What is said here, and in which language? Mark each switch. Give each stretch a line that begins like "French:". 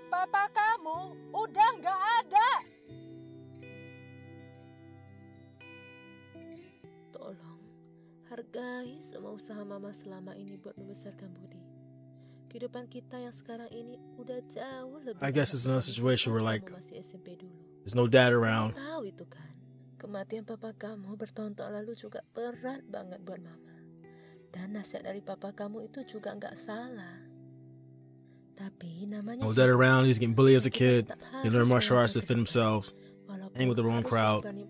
Indonesian: Papa kamu udah gak ada. Tolong. Hargai semua usaha Mama selama ini buat membesarkan Budi. Kehidupan kita yang sekarang ini udah jauh lebih.
English: I guess it's another situation where like there's no dad around.
Indonesian: Tahu itu kan. Kematian papa kamu bertahun-tahun lalu juga berat banget buat Mama. Dan nasihat dari papa kamu itu juga enggak salah. Tapi namanya
English: no dad around, he's getting bullied as a kid. He learned martial arts to defend himself. Hang with the wrong crowd.